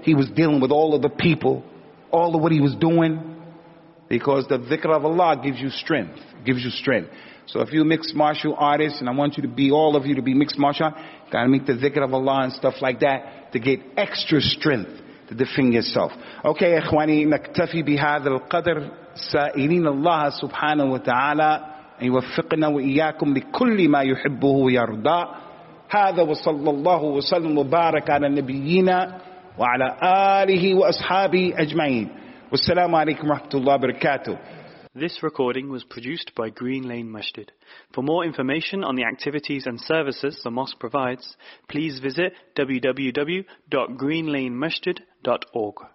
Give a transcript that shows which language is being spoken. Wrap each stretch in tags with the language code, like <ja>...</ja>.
<en>He was dealing with all of the people, all of what he was doing, because the dhikr of Allah gives you strength, gives you strength. So if you're mixed martial artists, and I want you to be, all of you to be mixed martial artists, got to make the dhikr of Allah and stuff like that to get extra strength to defend yourself.</en> <ar>Okay, ikhwani, naktafi bihadha al-qadr, sa'ilin Allah subhanahu wa ta'ala, أن يوفقنا وإياكم لكل ما يحبه ويرضى هذا وصلى الله وسلم وبارك على نبينا وعلى آله وأصحابه أجمعين والسلام عليكم ورحمة الله وبركاته.</ar> <en>This recording was produced by Green Lane Masjid. For more information on the activities and services the mosque provides, please visit www.greenlanemasjid.org.</en>